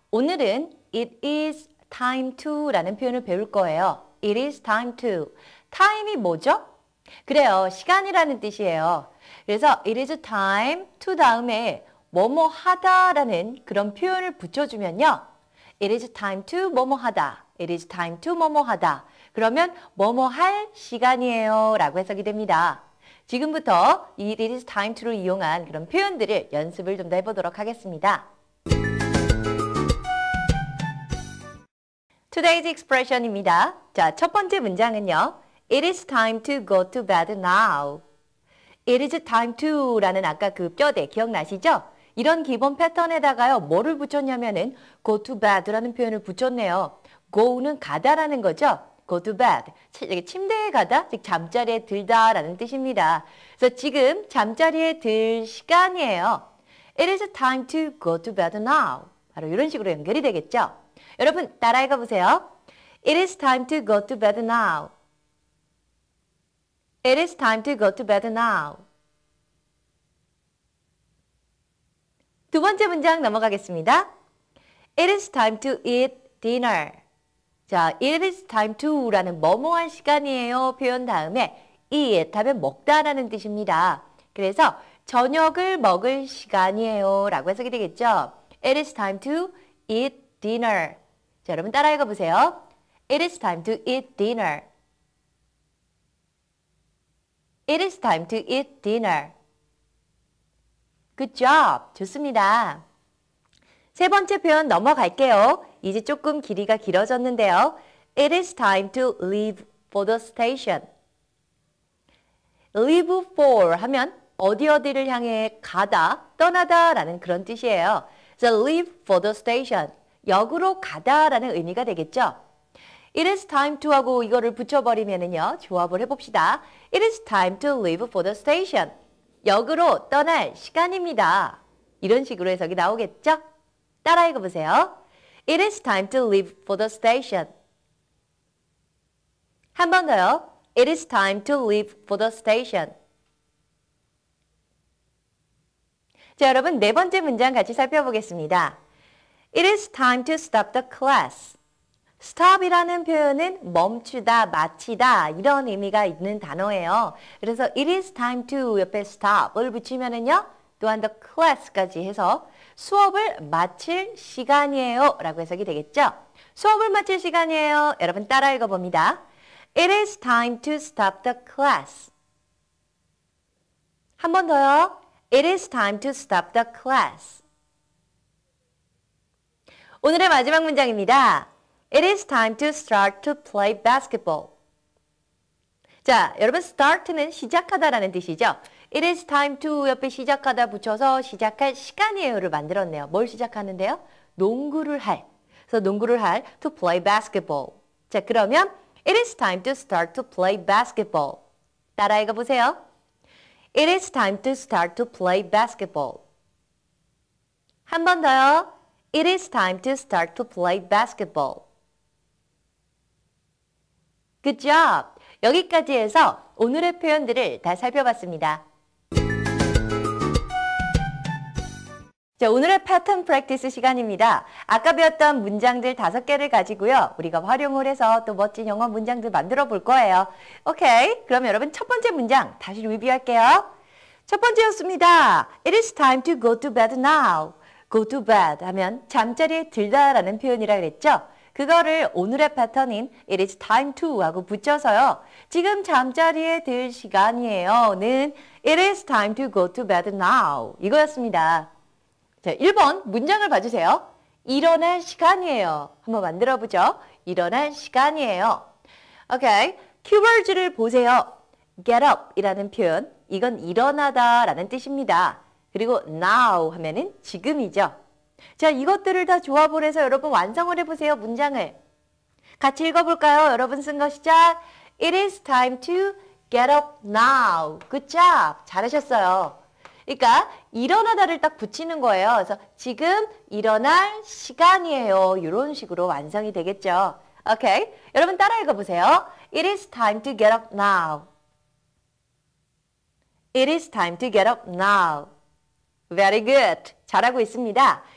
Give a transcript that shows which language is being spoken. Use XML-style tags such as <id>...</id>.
<ko>오늘은</ko> <en>it is time to</en> <ko>라는 표현을 배울 거예요.</ko> <en>It is time to. Time이</en> <ko>뭐죠? 그래요. 시간이라는 뜻이에요. 그래서</ko> <en>it is time to</en> <ko>다음에 뭐뭐 하다 라는 그런 표현을 붙여주면요.</ko> <en>It is time to</en> <ko>뭐뭐 하다.</ko> <en>It is time to 뭐뭐 하다.</en> <ko>그러면 뭐뭐 할 시간이에요 라고 해석이 됩니다. 지금부터 이</ko> <en>It is time to</en> <ko>를 이용한 그런 표현들을 연습을 좀 더 해보도록 하겠습니다.</ko> <en>Today's expression입니다.</en> <ko>자, 첫 번째 문장은요.</ko> <en>It is time to go to bed now. It is time to</en> <ko>라는 아까 그 뼈대 기억나시죠? 이런 기본 패턴에다가요. 뭐를 붙였냐면은</ko> <en>go to bed</en> <ko>라는 표현을 붙였네요.</ko> <en>go는</en> <ko>가다라는 거죠.</ko> <en>go to bed.</en> <ko>침대에 가다, 즉 잠자리에 들다 라는 뜻입니다. 그래서 지금 잠자리에 들 시간이에요.</ko> <en>It is time to go to bed now.</en> <ko>바로 이런 식으로 연결이 되겠죠. 여러분 따라 읽어보세요.</ko> <en>It is time to go to bed now. It is time to go to bed now.</en> <ko>두 번째 문장 넘어가겠습니다.</ko> <en>It is time to eat dinner.</en> <ko>자,</ko> <en>it is time to</en> <ko>라는 뭐뭐할 시간이에요 표현 다음에 eat 하면 먹다 라는 뜻입니다. 그래서 저녁을 먹을 시간이에요 라고 해석이 되겠죠.</ko> <en>It is time to eat dinner.</en> <ko>자, 여러분 따라 읽어보세요.</ko> <en>It is time to eat dinner. It is time to eat dinner. Good job.</en> <ko>좋습니다. 세 번째 표현 넘어갈게요. 이제 조금 길이가 길어졌는데요.</ko> <en>It is time to leave for the station.</en> <ko>Leave for 하면 어디 어디를 향해 가다, 떠나다 라는 그런 뜻이에요.</ko> <en>So leave for the station.</en> <ko>역으로 가다 라는 의미가 되겠죠.</ko> <en>It is time to</en> <ko>하고 이거를 붙여버리면은요. 조합을 해봅시다.</ko> <en>It is time to leave for the station.</en> <ko>역으로 떠날 시간입니다. 이런 식으로 해석이 나오겠죠? 따라 읽어보세요.</ko> <en>It is time to leave for the station.</en> <ko>한 번 더요.</ko> <en>It is time to leave for the station.</en> <ko>자, 여러분 네 번째 문장 같이 살펴보겠습니다.</ko> <en>It is time to stop the class.</en> <ko>Stop이라는 표현은 멈추다, 마치다 이런 의미가 있는 단어예요. 그래서</ko> <en>It is time to</en> <ko>옆에 stop을 붙이면은요, 또한 the class까지 해서 수업을 마칠 시간이에요 라고 해석이 되겠죠. 수업을 마칠 시간이에요. 여러분 따라 읽어봅니다.</ko> <en>It is time to stop the class.</en> <ko>한 번 더요.</ko> <en>It is time to stop the class.</en> <ko>오늘의 마지막 문장입니다.</ko> <en>It is time to start to play basketball.</en> <ko>자, 여러분 start는 시작하다라는 뜻이죠.</ko> <en>It is time to</en> <ko>옆에 시작하다 붙여서 시작할 시간이에요를 만들었네요. 뭘 시작하는데요? 농구를 할. 그래서 농구를 할</ko> <en>to play basketball.</en> <ko>자, 그러면</ko> <en>It is time to start to play basketball.</en> <ko>따라 읽어보세요.</ko> <en>It is time to start to play basketball.</en> <ko>한 번 더요.</ko> <en>It is time to start to play basketball. Good job!</en> <ko>여기까지 해서 오늘의 표현들을 다 살펴봤습니다. 자, 오늘의 패턴 프랙티스 시간입니다. 아까 배웠던 문장들 다섯 개를 가지고요. 우리가 활용을 해서 또 멋진 영어 문장들 만들어 볼 거예요. 오케이, 그럼 여러분 첫 번째 문장 다시 리뷰할게요. 첫 번째였습니다.</ko> <en>It is time to go to bed now.</en> <ko>Go to bed 하면 잠자리에 들다 라는 표현이라 그랬죠? 그거를 오늘의 패턴인</ko> <en>It is time to</en> <ko>하고 붙여서요. 지금 잠자리에 들 시간이에요. 는 It is time to go to bed now. 이거였습니다. 자, 1번 문장을 봐주세요. 일어날 시간이에요. 한번 만들어보죠. 일어날 시간이에요. 오케이. Keywords를 보세요.</ko> <en>Get up</en> <ko>이라는 표현. 이건 일어나다 라는 뜻입니다. 그리고 now 하면은 지금이죠. 자, 이것들을 다 조합을 해서 여러분 완성을 해보세요. 문장을 같이 읽어볼까요? 여러분 쓴 거 시작.</ko> <en>It is time to get up now. Good job.</en> <ko>잘하셨어요. 그러니까 일어나다를 딱 붙이는 거예요. 그래서 지금 일어날 시간이에요. 이런 식으로 완성이 되겠죠. 오케이. 여러분 따라 읽어보세요.</ko> <en>It is time to get up now. It is time to get up now. Very good.</en> <ko>잘하고 있습니다.</ko>